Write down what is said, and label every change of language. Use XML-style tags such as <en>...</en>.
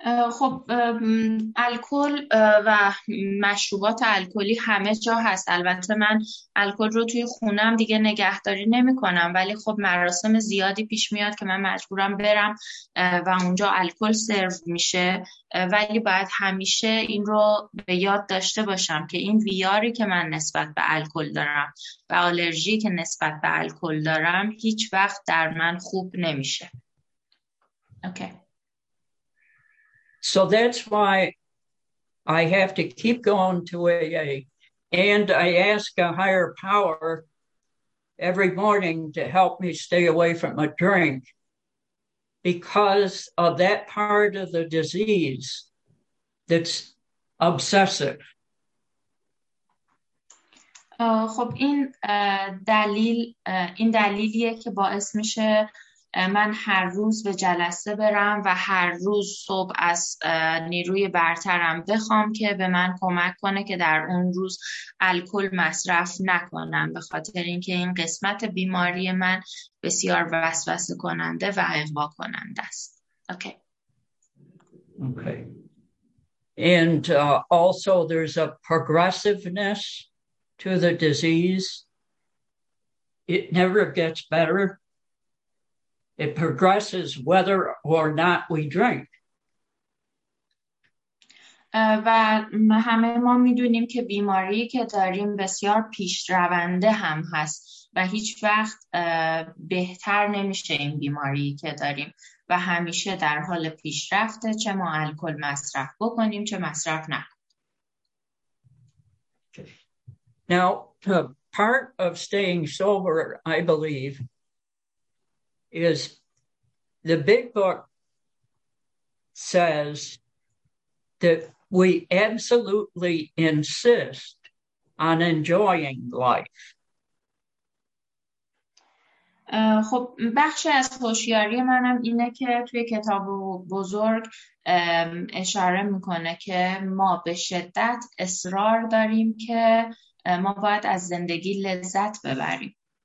<fa>خب الکل و مشروبات الکلی همه جا هست، البته من الکل رو توی خونم دیگه نگهداری نمی کنم، ولی خب مراسم زیادی پیش میاد که من مجبورم برم و اونجا الکل سرو میشه، ولی باید همیشه این رو به یاد داشته باشم که این ویاری که من نسبت به الکل دارم و آلرژی که نسبت به الکل دارم هیچ وقت در من خوب نمیشه. اوکی.</fa> <en>So that's why I have to keep going to AA, and I ask a higher power every morning to help me stay away from a drink because of that part of the disease that's obsessive.</en> <fa>خب این دلیل این دلیلیه که باعث میشه من هر روز به جلسه برم و هر روز صبح از نیروی برترم بخوام که به من کمک کنه که در اون روز الکل مصرف نکنم، به خاطر اینکه این قسمت بیماری من بسیار وسوسه کننده و اغوا کننده است. اوکی. اوکی.</fa> <en>And also there's a progressiveness to the disease. It never gets better. It progresses whether or not we drink.</en> <fa>و همه ما میدونیم که بیماری که داریم بسیار پیشرونده هم هست و هیچ وقت بهتر نمیشه این بیماری که داریم و همیشه در حال پیشرفته، چه ما الکل مصرف بکنیم چه مصرف نکنیم.</fa> <en>Now, part of staying sober, I believe, is the big book says that we absolutely insist on enjoying life.</en> <fa>خب بخش از هوشیاری منم اینه که توی کتاب بزرگ اشاره میکنه که ما به شدت اصرار داریم که ما باید از زندگی لذت ببریم.</fa>